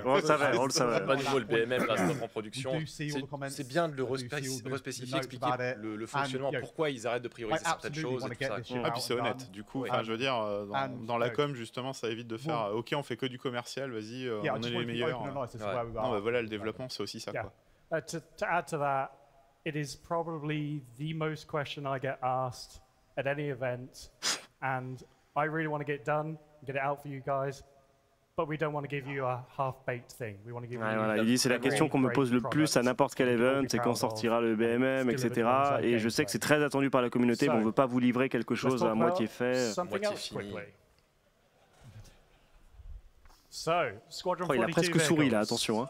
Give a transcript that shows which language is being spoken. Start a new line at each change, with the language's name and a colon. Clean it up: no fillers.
French: Pas niveau le BMM, là, c'est en production. C'est bien de le respecifier, expliquer le fonctionnement, pourquoi ils arrêtent de prioriser certaines choses. Ah, puis c'est honnête. Du coup, je veux dire, dans la com, justement, ça évite de faire « Ok, on fait que du commercial, vas-y, on est les meilleurs. » Non, bah voilà, le développement, c'est aussi ça, quoi.
English: To add to that, it is probably the most question I get asked at any event, and I really want to get it done, get it out for you guys, but we don't want to give you a half-baked thing. We want to give you.
French: Voilà, il dit c'est la question qu'on me pose le plus à n'importe quel event, c'est quand sortira le BMM, etc. Et je sais que c'est très attendu par la communauté, mais on veut pas vous livrer quelque chose à moitié fait, moitié fini.
English: So, Squadron 42.
French: Il a presque souri là, attention.